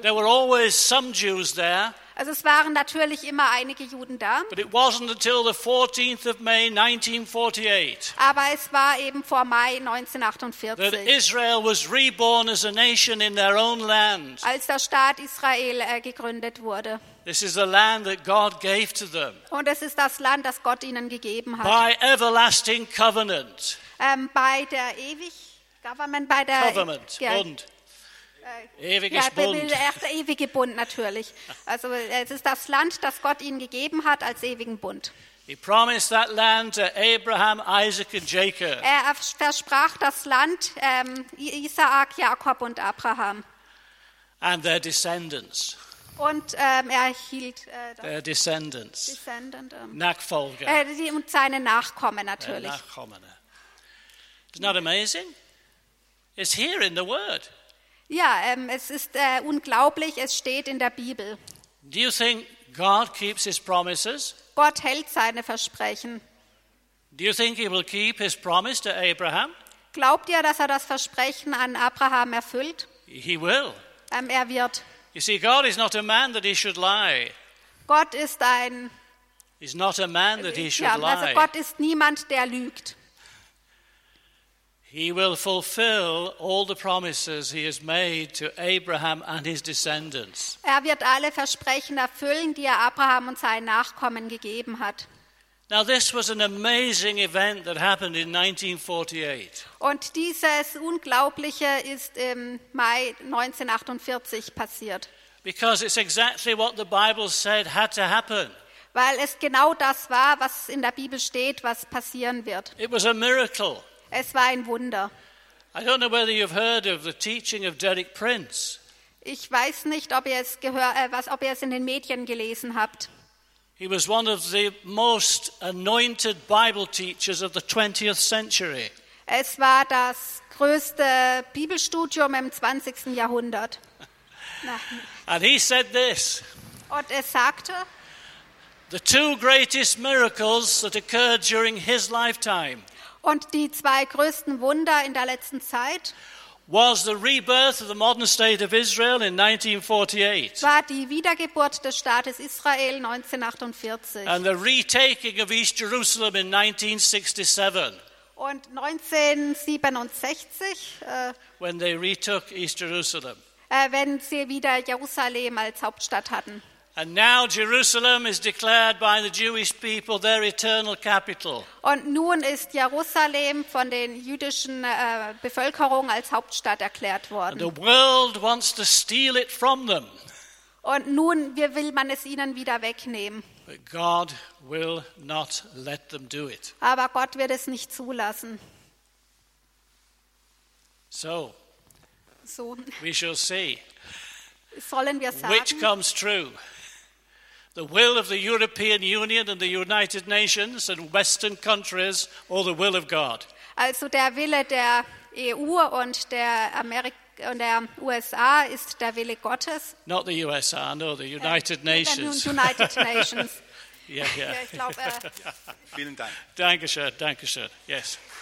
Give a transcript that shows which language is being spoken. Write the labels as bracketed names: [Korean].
[English] There were always some Jews there. [German] Also es waren natürlich immer einige Juden da. [English] But it wasn't until the 14th of May 1948. [German] Aber es war eben vor Mai 1948. [English] That Israel was reborn as a nation in their own land. [German] Als der Staat Israel gegründet wurde. [English] This is the land that God gave to them. [German] Und es ist das Land, das Gott ihnen gegeben hat. [English] By everlasting covenant. [German] Bei der ewig Government bei der [English] Covenant. [German] Bund. Ewiges ja, Bund. Er ist der ewige Bund natürlich. Also es ist das Land, das Gott ihnen gegeben hat als ewigen Bund. [English] He promised that land to Abraham, Isaac and Jacob. [German] Er versprach das Land Isaak, Jakob und Abraham. [English] And their descendants. [German] Und er hielt [English] their descendants. [German] Nachfolger. Und seine Nachkommen natürlich. Nachkommen. [English] Isn't that amazing? It's here in the Word. [German] Ja, es ist unglaublich, es steht in der Bibel. [English] Do you think God keeps his promises? [German] Gott hält seine Versprechen. [English] Do you think he will keep his promise to Abraham? [German] Glaubt ihr, dass er das Versprechen an Abraham erfüllt? [English] He will. [German] Er wird. [English] You see, God is not a man that he should lie. [German] Gott ist ein [English] He's not a man that he should lie. [German] Also Gott ist niemand, der lügt. [English] He will fulfill all the promises he has made to Abraham and his descendants. [German] Er wird alle Versprechen erfüllen, die er Abraham und seinen Nachkommen gegeben hat. [English] Now this was an amazing event that happened in 1948. [German] Und dieses Unglaubliche ist im Mai 1948 passiert. [English] Because it's exactly what the Bible said had to happen. [German] Weil es genau das war, was in der Bibel steht, was passieren wird. [English] It was a miracle. [German] Es war ein Wunder. [English] I don't know whether you've heard of the teaching of Derek Prince. [German] Ich weiß nicht, ob ihr es in den Medien gelesen habt. [English] He was one of the most anointed Bible teachers of the 20th century. [German] Es war das größte Bibelstudium im 20. Jahrhundert. [English] And he said this. [German] Und er sagte: [English] The two greatest miracles that occurred during his lifetime. [German] Und die zwei größten Wunder in der letzten Zeit [English] was the rebirth of the modern state of Israel in 1948. [German] War die Wiedergeburt des Staates Israel 1948. [English] And the retaking of East Jerusalem in 1967. [German] Und 1967 [English] when they retook East Jerusalem. [German] Wenn sie wieder Jerusalem als Hauptstadt hatten. [English] And now Jerusalem is declared by the Jewish people their eternal capital. [German] Und nun ist Jerusalem von den jüdischen Bevölkerung als Hauptstadt erklärt worden. [English] And the world wants to steal it from them. [German] Und nun will man es ihnen wieder wegnehmen. [English] But God will not let them do it. [German] Aber Gott wird es nicht zulassen. [English] So. We shall see. [German] Sollen wir sagen, [English] which comes true? The will of the European Union and the United Nations and Western countries, or the will of God? [German] Also der Wille der EU und der USA ist der Wille Gottes. [English] Not the USA, no, the United Nations. United Nations. Yeah, yeah. [German] Vielen Dank. Dankeschön. [English] Yes.